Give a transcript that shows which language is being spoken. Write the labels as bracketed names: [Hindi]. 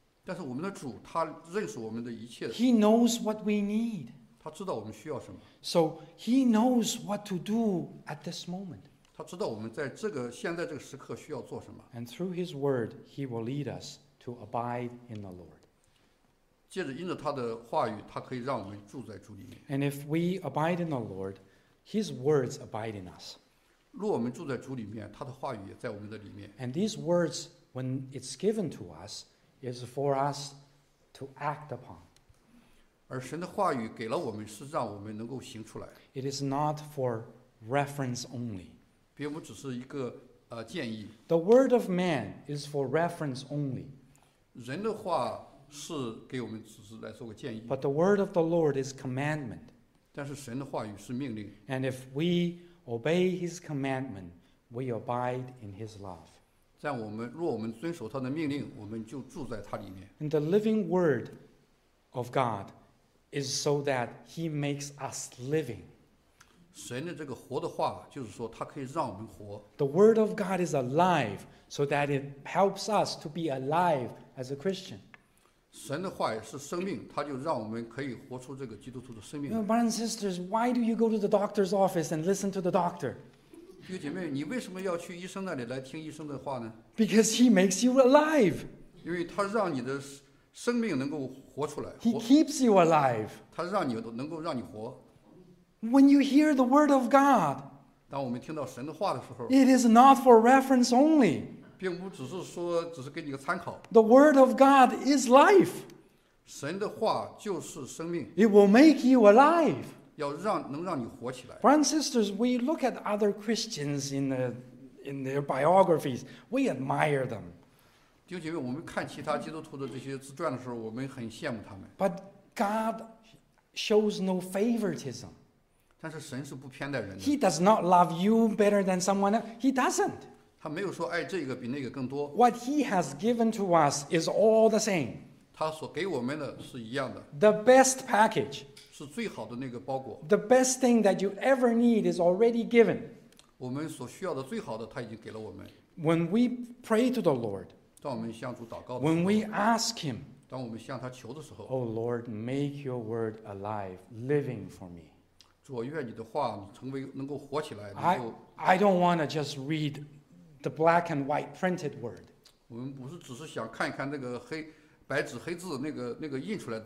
[Chinese] 但是我们的主，他认识我们的一切。 [English] He knows what we need. [Chinese] 他知道我们需要什么。 [English] So He knows what to do at this moment. [Chinese] 他知道我们在这个现在这个时刻需要做什么。 [English] And through His Word, He will lead us to abide in the Lord. [Chinese] 借着因着他的话语，他可以让我们住在主里面。 [English] And if we abide in the Lord, His words abide in us. [Chinese] 若我们住在主里面，他的话语也在我们的里面。 [English] And these words, when it's given to us, is for us to act upon. [Chinese] 而神的话语给了我们，是让我们能够行出来。 [English] It is not for reference only. [Chinese] 并不只是一个建议。 [English] The word of man is for reference only. [Chinese] 人的话。是给我们只是来做个建议。 [English] But the word of the Lord is commandment. [Chinese] 但是神的话语是命令。 [English] And if we obey His commandment, we abide in His love. [Chinese] 在我们若我们遵守他的命令，我们就住在他里面。 [English] And the living word of God is so that He makes us living. [Chinese] 神的这个活的话，就是说他可以让我们活。 [English] The word of God is alive, so that it helps us to be alive as a Christian. [Chinese] 神的话也是生命，他就让我们可以活出这个基督徒的生命。 [English] Brothers and sisters, why do you go to the doctor's office and listen to the doctor? [Chinese] 弟兄姐妹，你为什么要去医生那里来听医生的话呢？ [English] Because he makes you alive. [Chinese] 因为他让你的生命能够活出来。 [English] He keeps you alive. [Chinese] 他让你能够让你活。 [English] When you hear the word of God, [Chinese] 当我们听到神的话的时候， [English] it is not for reference only. [Chinese] 并不只是说，只是给你个参考。 [English] The word of God is life. [Chinese] 神的话就是生命。 [English] It will make you alive. [Chinese] 要让能让你活起来。 [English] Brothers and sisters, we look at other Christians in their biographies. We admire them. [Chinese] 弟兄姐妹，我们看其他基督徒的这些自传的时候，我们很羡慕他们。 [English] But God shows no favoritism. [Chinese] 但是神是不偏待人的。 [English] He does not love you better than someone else. He doesn't. [Chinese] 他没有说爱这个比那个更多。 [English] What he has given to us is all the same. [Chinese] 他所给我们的是一样的。 [English] The best package. [Chinese] 是最好的那个包裹。 [English] The best thing that you ever need is already given. [Chinese] 我们所需要的最好的他已经给了我们。 [English] When we pray to the Lord. [Chinese] 当我们向主祷告。 [English] When we ask him. [Chinese] 当我们向他求的时候。 [English] Oh Lord, make your word alive, living for me. [Chinese] 主，愿你的话成为能够活起来。 [English] I don't want to just read. The black and white printed word. [Chinese] 我们不是只是想看一看那个黑白纸黑字那个印出来的。